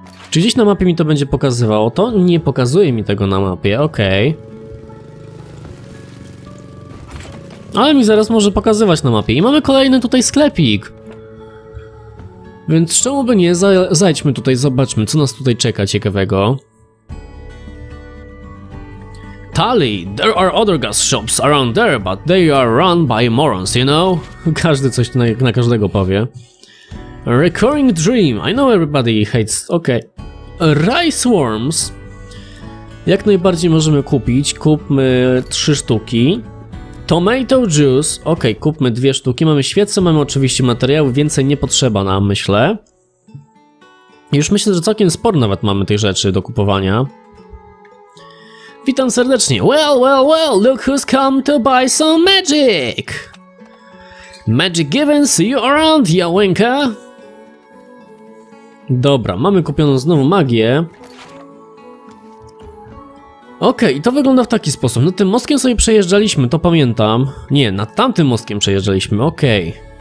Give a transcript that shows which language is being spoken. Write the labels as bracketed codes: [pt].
[pl] Czy gdzieś na mapie mi to będzie pokazywało? To nie pokazuje mi tego na mapie, okej. Ale mi zaraz może pokazywać na mapie. I mamy kolejny tutaj sklepik. Więc czemu by nie? Zajdźmy tutaj, zobaczmy, co nas tutaj czeka ciekawego. [en] Tali, there are other gas shops around there, but they are run by morons, you know? [pl] Każdy coś na każdego powie. [en] Recurring dream. I know everybody hates... Okej. Okay. Rice worms. [pl] Jak najbardziej możemy kupić. Kupmy 3 sztuki. [en] Tomato juice. [pl] Okej, okay, kupmy 2 sztuki. Mamy świece, mamy oczywiście materiały. Więcej nie potrzeba nam, myślę. Już myślę, że całkiem sporo nawet mamy tych rzeczy do kupowania. Witam serdecznie. [en] Well, well, well, look who's come to buy some magic. Magic given, see you around, ya winka. [pl] Dobra, mamy kupioną znowu magię. Okej, okay, i to wygląda w taki sposób. Nad tym mostkiem sobie przejeżdżaliśmy, to pamiętam. Nie, nad tamtym mostkiem przejeżdżaliśmy, okej.